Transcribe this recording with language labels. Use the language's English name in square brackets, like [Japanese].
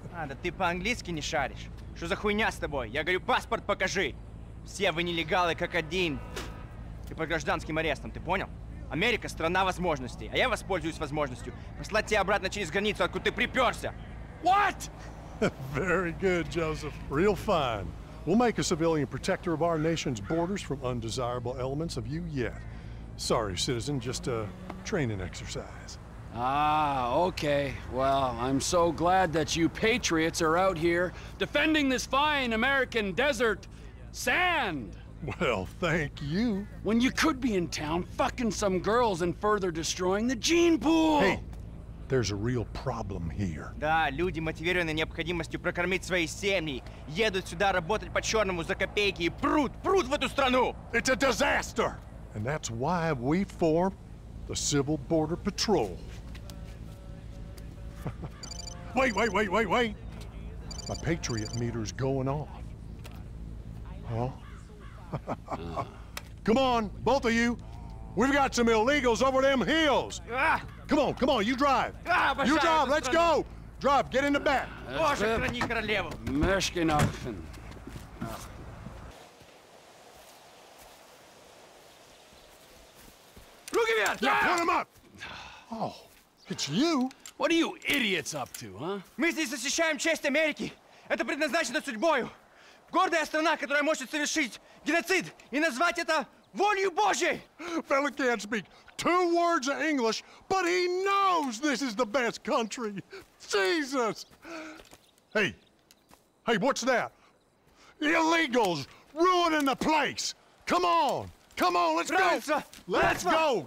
[Russian] А, да ты по-английски не шаришь? Что за хуйня с тобой? Я говорю, паспорт покажи. Все вы нелегалы как один. И под гражданским арестом, ты понял? Америка — страна возможностей, а я воспользуюсь возможностью послать тебя обратно через границу, откуда ты припёрся. [English] What? Very good, Joseph. Real fine. We'll make a civilian protector of our nation's borders from undesirable elements of you yet. Sorry, citizen, just a training exercise. Ah, okay. Well, I'm so glad that you patriots are out here defending this fine American desert sand. Well, thank you. When you could be in town fucking some girls and further destroying the gene pool. Hey, there's a real problem here. [Russian] Да, люди, мотивированные необходимостью прокормить свои семьи, едут сюда работать по черному за копейки и прут в эту страну. [English] It's a disaster. And that's why we form the Civil Border Patrol. Wait. My Patriot meter's going off. Huh? Come on, both of you. We've got some illegals over them hills. Come on, you drive. You drive, let's go. Drive, get in the back. Look at that! Now put him up! Oh, it's you. What are you idiots up to, huh? [Russian] Мы здесь защищаем честь Америки. Это предназначено судьбою. Гордая страна, которая может совершить геноцид и назвать это волею Божьей! [English] Fella can't speak two words of English, but he knows this is the best country! Jesus! Hey, what's that? Illegals ruining the place! Come on, let's go! Let's go!